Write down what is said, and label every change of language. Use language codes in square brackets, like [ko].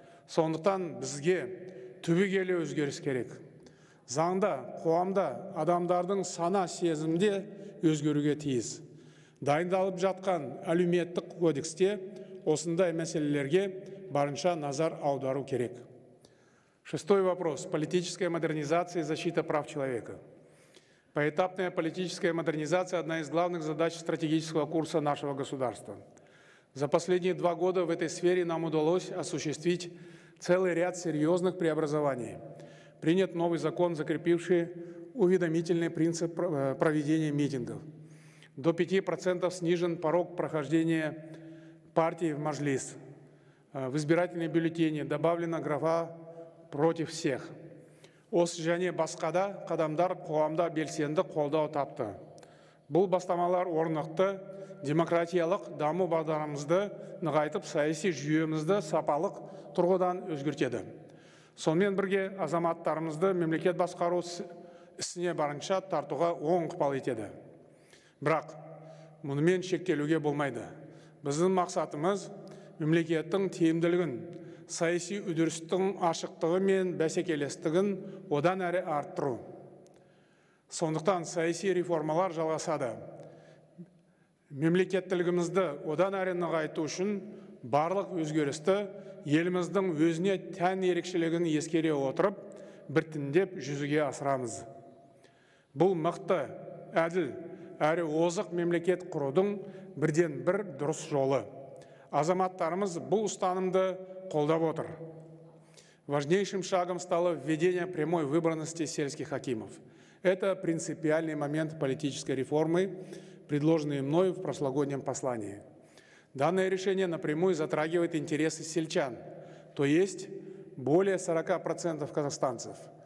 [kk] Сондықтан бізге түбегейлі өзгеріс керек. Заңда, қоғамда, адамдардың сана сезімде өзгеруге тиіс. Дайындалып жатқан әлеуметтік кодексте осындай мәселелерге барынша назар аудару керек. [ru] Шестой вопрос. Политическая модернизация и защита прав человека. Поэтапная политическая модернизация – одна из главных задач стратегического курса нашего государства. За последние два года в этой сфере нам удалось осуществить целый ряд серьезных преобразований. Принят новый закон, закрепивший уведомительный принцип проведения митингов. До 5% снижен порог прохождения партии в мажлис. В избирательные бюллетени добавлена графа «против всех». [kk] Осы және басқада қадамдар қоғамда белсенді қолдау тапты. Бұл бастамалар орнықты, демократиялық даму бағдарымызды нығайтып, саяси жүйемізді сапалық тұрғыдан өзгертеді. Сонымен бірге азаматтарымызды мемлекет басқару ісіне барынша тартуға оң ықпал етеді. Бірақ мұнымен шектелуге болмайды. Біздің мақсатымыз мемлекеттің тиімділігін, саяси үдерістің ашықтығы мен бәсекелестігін одан әрі арттыру. Сондықтан саяси реформалар жалғасады. Мемлекеттілігімізді одан әрі нығайту үшін барлық өзгерісті еліміздің өзіне тән ерекшелігін ескере отырып, біртіндеп жүзеге асырамыз. Бұл мықты, әділ, әрі озық мемлекет құрудың бірден бір дұрыс жолы. Азаматтарымыз бұл ұстанымды қолдап отыр. [ru] Важнейшим шагом стало введение прямой выбранности сельских акимов. Это принципиальный момент политической реформы, предложенный мною в прошлогоднем послании. Данное решение напрямую затрагивает интересы сельчан, то есть более 40% казахстанцев.